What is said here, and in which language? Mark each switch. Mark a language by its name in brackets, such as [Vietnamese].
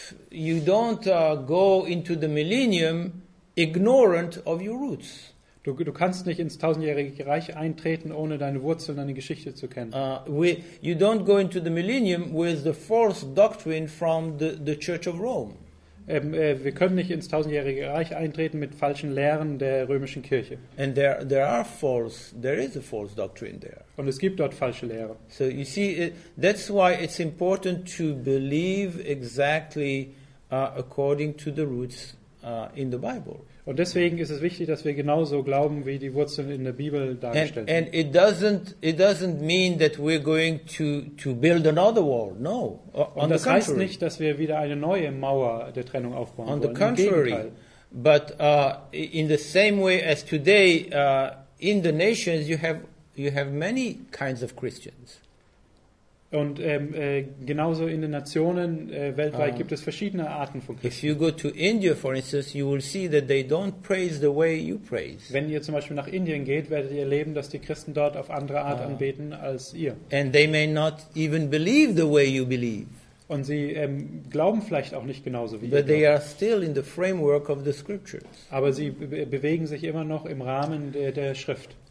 [English] You don't go into the millennium ignorant of your roots. [German] Du kannst nicht ins tausendjährige Reich eintreten, ohne deine Wurzeln, deine Geschichte zu kennen. [English] You don't go into the millennium with the false doctrine from the Church of Rome. [German] Wir können nicht ins tausendjährige Reich eintreten mit falschen Lehren der römischen Kirche. [English] And there is a false doctrine there. [German] Und es gibt dort falsche Lehren. [English] So you see, that's why it's important to believe exactly according to the roots in the Bible. [German] Und deswegen ist es wichtig, dass wir genauso glauben, wie die Wurzeln in der Bibel dargestellt sind. [English] And it doesn't mean that we're going to build another wall. No. [German] Und das heißt nicht, dass wir wieder eine neue Mauer der Trennung aufbauen wollen. [English] On the contrary, but in the same way as today, in the nations you have many kinds of Christians. [German] Und genauso in den Nationen weltweit gibt es verschiedene Arten von Christen. [English] If you go to India, for instance, you will see that they don't praise the way you praise. [German] Wenn ihr zum Beispiel nach Indien geht, werdet ihr erleben, dass die Christen dort auf andere Art anbeten als ihr. [English] And they may not even believe the way you believe. [German] Und sie glauben vielleicht auch nicht genauso wie ihr. [English] But they are still in the framework of the scriptures. [German] Aber sie bewegen sich immer noch im Rahmen der Schrift.